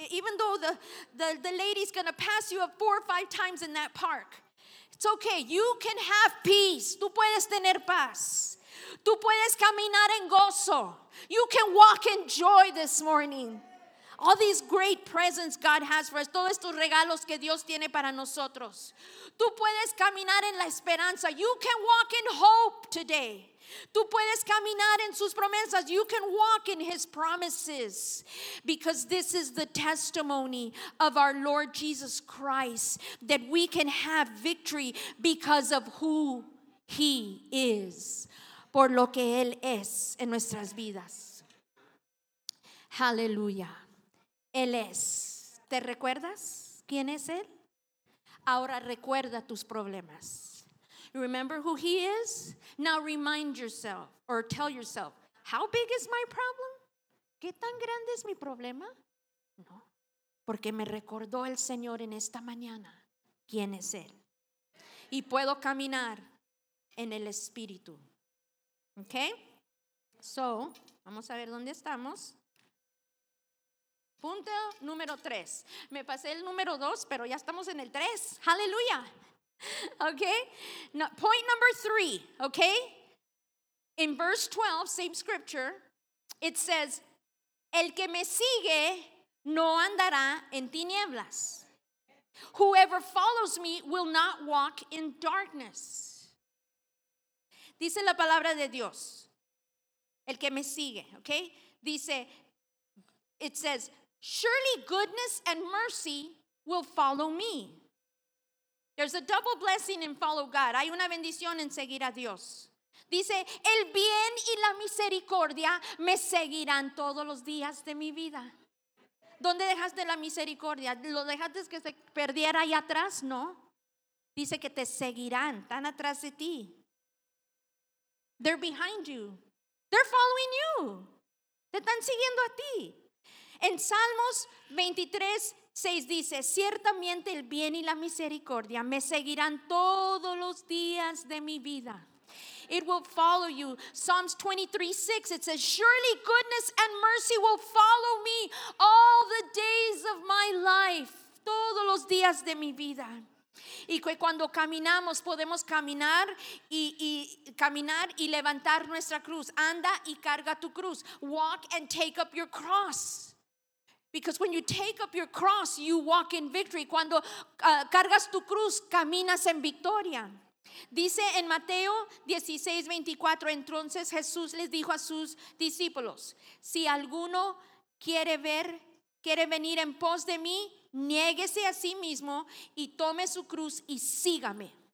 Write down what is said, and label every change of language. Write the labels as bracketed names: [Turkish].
[English] Even though the lady's going to pass you up 4 or 5 times in that park. It's okay. You can have peace. [Spanish] Tú puedes tener paz. Tú puedes caminar en gozo. [English] You can walk in joy this morning. All these great presents God has for us. [Spanish] Todos estos regalos que Dios tiene para nosotros. Tú puedes caminar en la esperanza. [English] You can walk in hope today. [Spanish] Tú puedes caminar en sus promesas. [English] You can walk in His promises. Because this is the testimony of our Lord Jesus Christ. That we can have victory because of who He is. [Spanish] Por lo que Él es en nuestras vidas. Aleluya. Él es. ¿Te recuerdas quién es Él? Ahora recuerda tus problemas. [English] Remember who He is? Now remind yourself or tell yourself, how big is my problem? [Spanish] ¿Qué tan grande es mi problema? No. Porque me recordó el Señor en esta mañana quién es Él. Y puedo caminar en el Espíritu. Okay, so vamos a ver dónde estamos. Punto número 3. Me pasé el número 2, pero ya estamos en el 3. [English] Hallelujah. Okay, no, point number 3. Okay, in verse 12, same scripture, it says, [Spanish] el que me sigue no andará en tinieblas. [English] Whoever follows me will not walk in darkness. [Spanish] Dice la palabra de Dios, el que me sigue, okay? [English] Dice, it says, surely goodness and mercy will follow me. There's a double blessing in follow God. [Spanish] Hay una bendición en seguir a Dios. Dice, el bien y la misericordia me seguirán todos los días de mi vida. ¿Dónde dejaste la misericordia? ¿Lo dejaste que se perdiera ahí atrás? No. Dice que te seguirán, están atrás de ti. [English] They're behind you. They're following you. [Spanish] Te están siguiendo a ti. En Salmos 23, 6 dice, ciertamente el bien y la misericordia me seguirán todos los días de mi vida. [English] It will follow you. Psalms 23, 6, it says, surely goodness and mercy will follow me all the days of my life. [Spanish] Todos los días de mi vida. Y que cuando caminamos podemos caminar y caminar y levantar nuestra cruz. Anda y carga tu cruz. [English] Walk and take up your cross. Because when you take up your cross, you walk in victory. [Spanish] Cuando cargas tu cruz, caminas en victoria. Dice en Mateo 16, 24, entonces Jesús les dijo a sus discípulos, si alguno quiere venir en pos de mí, niéguese a sí mismo y tome su cruz y sígame.